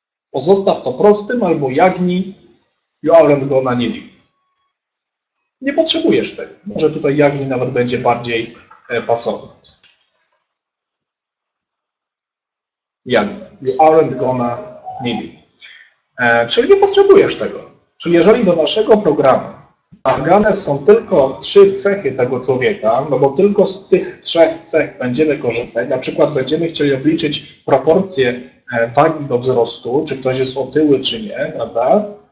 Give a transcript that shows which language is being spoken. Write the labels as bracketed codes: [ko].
[pl] Pozostaw to prostym albo jagni, [en] you aren't gonna need it. [pl] Nie potrzebujesz tego. Może tutaj jagni nawet będzie bardziej pasowny. [en] Jagni, you aren't gonna need it. [pl] Czyli nie potrzebujesz tego. Czyli jeżeli do naszego programu wymagane są tylko 3 cechy tego człowieka, no bo tylko z tych 3 cech będziemy korzystać, na przykład będziemy chcieli obliczyć proporcje wagi do wzrostu, czy ktoś jest otyły, czy nie, prawda?